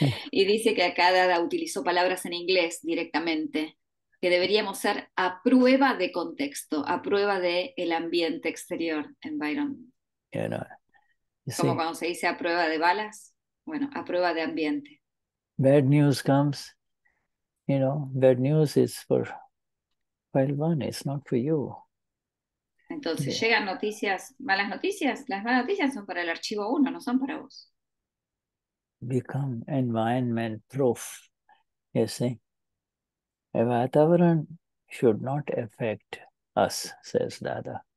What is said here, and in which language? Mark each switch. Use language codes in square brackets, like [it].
[es] Y dice que acá Dada utilizó palabras en inglés directamente, que deberíamos ser a prueba de contexto, a prueba de el ambiente exterior, environment. [en] You know, [es] como cuando se dice a prueba de balas, bueno, a prueba de ambiente. [en] Bad news comes, you know, bad news is for file one, it's not for you. [es] Entonces, yeah. Llegan noticias, malas noticias, las malas noticias son para el archivo 1, no son para vos. [en] Become environment proof. You see, a vatavaran should not affect us, says Dada.